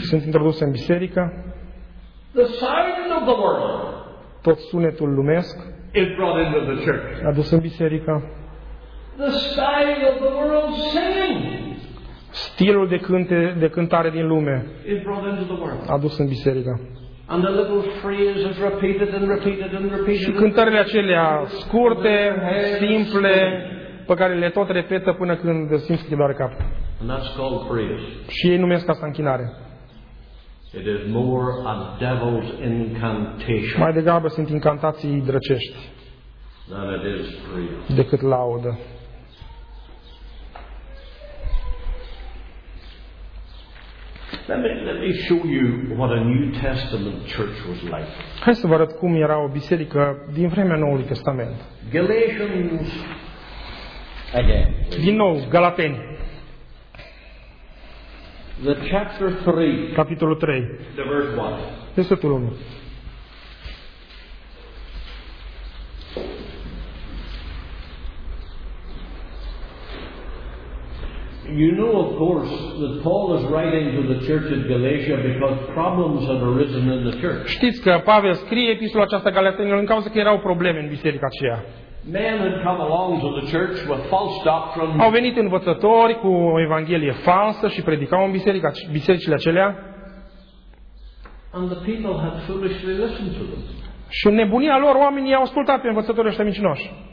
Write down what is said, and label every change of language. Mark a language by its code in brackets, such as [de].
[ro] sunt introduse în biserică. [en] The sound of the world, [ro] tot sunetul lumesc, [en] is brought into the church, [ro] adus în biserică. [en] The sound of the world singing, [ro] stilul de cânte, de cântare din lume, [en] is brought into the world, [ro] adus în biserică. [en] And the little phrase is repeated and repeated and repeated. [ro] Și cântările acelea scurte, simple, pe care le tot repetă până când simți că doare cap. [en] And that's called praise. [ro] Și ei numesc asta închinare. [en] It is more a devil's incantation. [ro] Mai degrabă sunt incantații drăcești [en] than it is praise. [ro] Decât laudă. [en] Let me show you what a New Testament church was like. [ro] Hai să vă arăt cum era o biserică din vremea Noului Testament. [en] Galatians again. [ro] Din nou, Galateni. [en] The chapter 3. [ro] Capitolul 3. [en] The verse 1. [ro] Versetul 1. [en] You know, of course, that Paul is writing to the church at Galatia because problems have arisen in the church. [ro] Știți că Pavel scrie epistola aceasta galatenilor în cauza că erau probleme în biserica aceea. [en] Men had come along to the church with false doctrine. [ro] Au venit învățători cu o evanghelie falsă și predicau în biserica, bisericile acelea. [en] And the people had foolishly listened to them. [ro] Și în nebunia lor oamenii au ascultat pe învățătorii ăștia mincinoși.